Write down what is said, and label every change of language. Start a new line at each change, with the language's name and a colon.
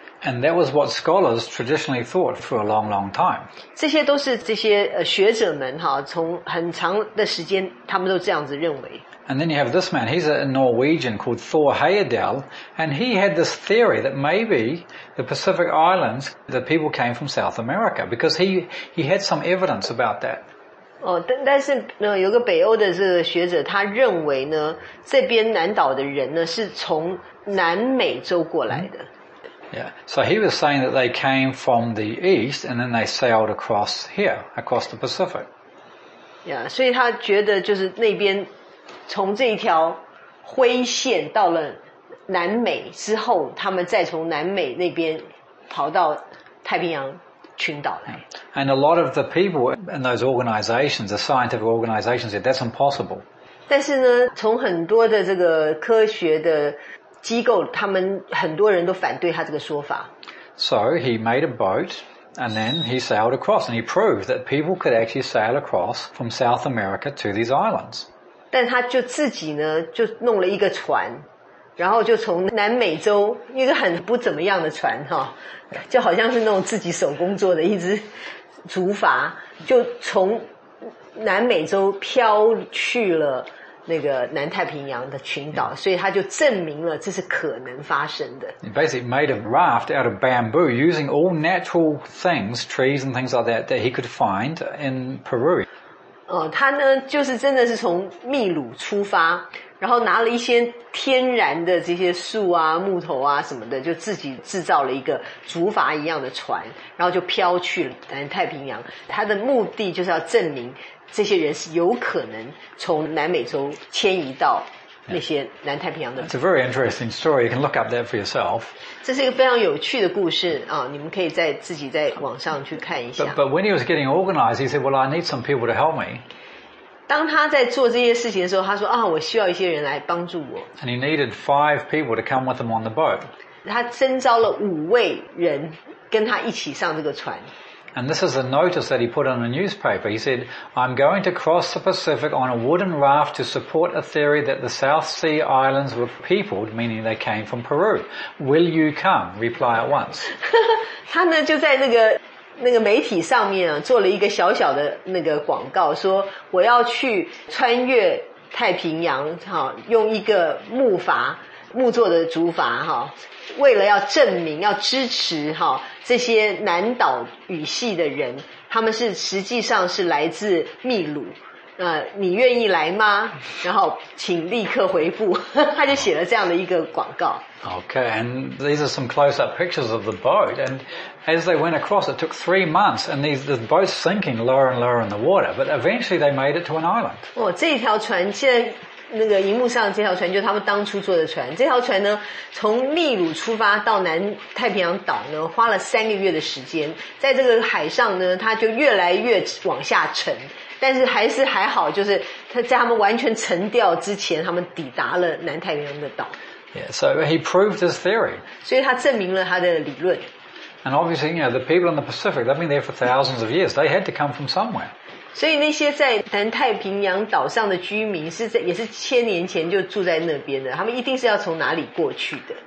English: And that was what scholars traditionally thought for a long, long time.
Chinese: 这些都是这些学者们哈，从很长的时间，他们都这样子认为。
English: And then you have this man. He's a Norwegian called Thor Heyerdahl, and he had this theory that maybe the Pacific Islands, the people came from South America, because he had some evidence about that.
Chinese: 哦，但是呢，有个北欧的这个学者，他认为呢，这边南岛的人呢是从南美洲过来的。
English: Yeah, so he was saying that they came from the east and then they sailed across here, across the Pacific.
Chinese: Yeah, 所以他觉得就是那边从这一条灰线到了南美之后，他们再从南美那边跑到太平洋。
English: And a lot of the people in those organizations, the scientific organizations, said that's impossible.
Chinese: 但是呢，从很多的这个科学的机构，他们很多人都反对他这个说法。
English: So he made a boat, and then he sailed across, and he proved that people could actually sail across from South America to these islands.
Chinese: 但他就自己呢，就弄了一个船，然后就从南美洲一个很不怎么样的船哈，就好像是那种自己手工做的一只竹筏，就从南美洲飘去了那个南太平洋的群岛，所以他就证明了这是可能发生的。
English: He basically made a raft out of bamboo using all natural things, trees and things like that, that he could find in Peru.
Chinese: 他呢就是真的是从秘鲁出发，然后拿了一些天然的这些树啊木头啊什么的，就自己制造了一个竹筏一样的船，然后就飘去了南太平洋。他的目的就是要证明这些人是有可能从南美洲迁移到那些南太平洋的。
English: It's a very interesting story. You can look up that for yourself.
Chinese: 这是一个非常有趣的故事啊！你们可以在自己在网上去看一下。
English: But when he was getting organized, he said, "Well, I need some people to help me."
Chinese: 当他在做这些事情的时候，他说：“啊，我需要一些人来帮助我。
English: ”And he needed 5 people to come with him on the boat.
Chinese: 他征召了五位人跟他一起上这个船。
English: And this is a notice that he put on a newspaper. He said, I'm going to cross the Pacific on a wooden raft to support a theory that the South Sea Islands were peopled, meaning they came from Peru. Will you come? Reply at once.
Chinese: 他呢就在那个媒体上面做了一个小小的那个广告，说我要去穿越太平洋，用一个木筏，木做的竹筏，为了要证明要支持这些南岛语系的人，他们是实际上是来自秘鲁，你愿意来吗？然后请立刻回复。他就写了这样的一个广告。
English: Okay, and these are some close up pictures of the boat, and as they went across it took 3 months, and the boat's sinking lower and lower in the water, but eventually they made it to an island.
Chinese: 这一条船现在那个荧幕上的这条船就是他们当初坐的船，这条船呢从秘鲁出发到南太平洋岛呢花了3个月的时间，在这个海上呢它就越来越往下沉，但是还是还好，就是在他们完全沉掉之前他们抵达了南太平洋的岛。
English: Yeah, so he proved his theory.
Chinese: 所以他证明了他的理论。
English: And obviously, you know, the people in the Pacific, they've been there for thousands of years, they had to come from somewhere.
Chinese: 所以那些在南太平洋岛上的居民是在也是千年前就住在那边的，他们一定是要从哪里过去的。